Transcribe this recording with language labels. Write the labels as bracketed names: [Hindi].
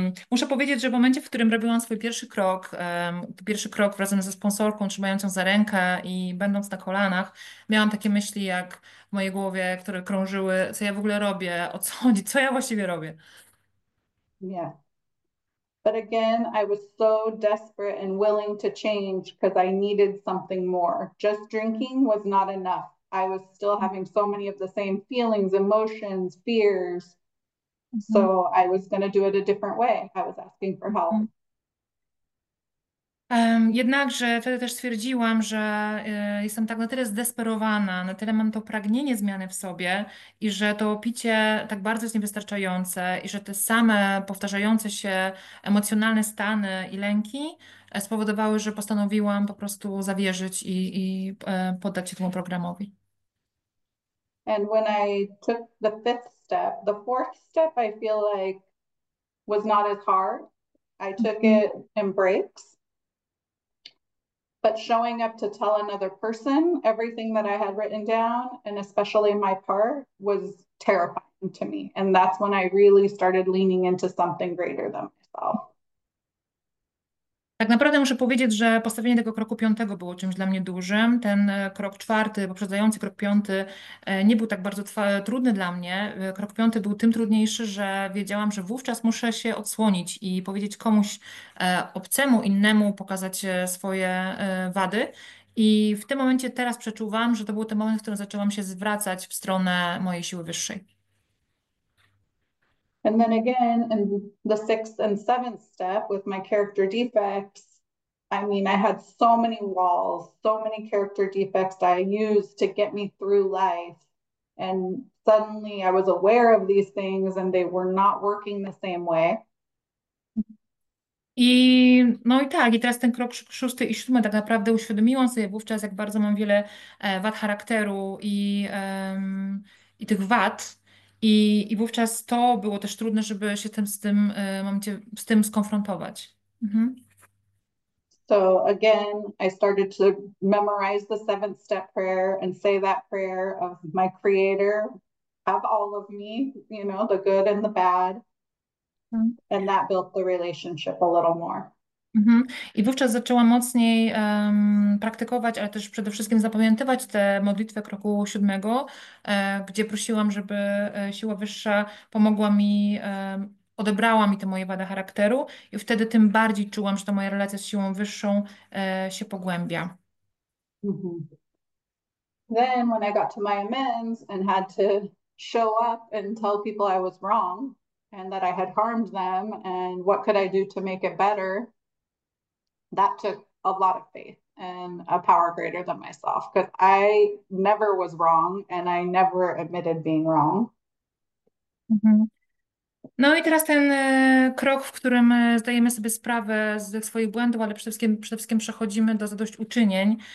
[Polish] Muszę powiedzieć, że w momencie, w którym robiłam swój pierwszy krok razem ze sponsorką, trzymając ją za rękę i będąc na kolanach, miałam takie myśli jak w mojej głowie, które krążyły, co ja w ogóle robię, o co chodzi, co ja właściwie robię. [English] Yeah. But again, I was so desperate and willing to change because I needed something more. Just drinking was not enough. I was still having so many of the same feelings, emotions, fears. So I was going to do it a different way. I was asking for help. [Polish] Jednakże wtedy też stwierdziłam, że jestem tak na tyle zdesperowana, na tyle mam to pragnienie zmiany w sobie i że to picie tak bardzo jest niewystarczające i że te same powtarzające się emocjonalne stany i lęki spowodowały, że postanowiłam po prostu zawierzyć i poddać się temu programowi. [English] And when I took the fifth step, the fourth step I feel like was not as hard. I took it in breaks. But showing up to tell another person everything that I had written down, and especially my part, was terrifying to me. And that's when I really started leaning into something greater than myself. [Polish] Tak naprawdę muszę powiedzieć, że postawienie tego kroku piątego było czymś dla mnie dużym. Ten krok czwarty, poprzedzający krok piąty, nie był tak bardzo trudny dla mnie. Krok piąty był tym trudniejszy, że wiedziałam, że wówczas muszę się odsłonić i powiedzieć komuś obcemu, innemu, pokazać swoje wady. I w tym momencie teraz przeczuwam, że to był ten moment, w którym zaczęłam się zwracać w stronę mojej siły wyższej. [English] And then again, in the sixth and seventh step with my character defects, I mean, I had so many walls, so many character defects that I used to get me through life. And suddenly I was aware of these things and they were not working the same way. [Polish] I teraz ten krok szósty i siódmy, tak naprawdę uświadomiłam sobie wówczas, jak bardzo mam wiele wad charakteru i tych wad. I wówczas to było też trudne, żeby się tym z tym skonfrontować. [English] So again, I started to memorize the seventh step prayer and say that prayer of my creator, have all of me, the good and the bad. And that built the relationship a little more. [Polish] I wówczas zaczęłam mocniej praktykować, ale też przede wszystkim zapamiętywać tę modlitwę kroku siódmego, gdzie prosiłam, żeby siła wyższa pomogła mi, odebrała mi tę moją wadę charakteru, i wtedy tym bardziej czułam, że ta moja relacja z siłą wyższą się pogłębia. [English] Then, when I got to my amends and had to show up and tell people I was wrong and that I had harmed them and what could I do to make it better, that took a lot of faith and a power greater than myself because I never was wrong and I never admitted being wrong. [Polish] No i teraz ten krok, w którym zdajemy sobie sprawę ze swoich błędów, ale przede wszystkim przechodzimy do zadośćuczynień.